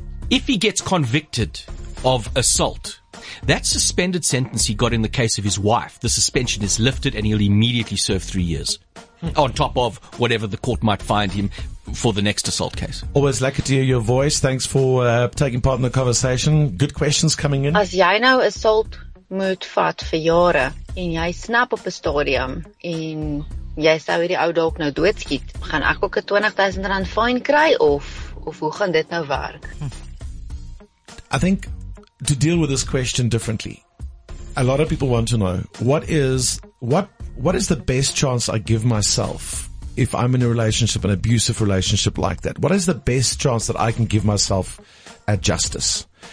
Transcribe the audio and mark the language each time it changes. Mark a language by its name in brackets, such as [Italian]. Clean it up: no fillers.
[English] If he gets convicted of assault, that suspended sentence he got in the case of his wife, the suspension is lifted and he'll immediately serve 3 years on top of whatever the court might find him for the next assault case. Always lucky to hear your voice. Thanks for taking part in the conversation. Good questions coming in. [Afrikaans] As jy nou assault moet vat vir jare en jy snap op 'n stadium en jy sou hierdie ou dalk nou doodskiet, gaan ek ook 'n 20,000 rand fine kry of hoe gaan dit nou werk? [English] I think to deal with this question differently, a lot of people want to know what is the best chance I give myself if I'm in a relationship, an abusive relationship like that? What is the best chance that I can give myself at justice?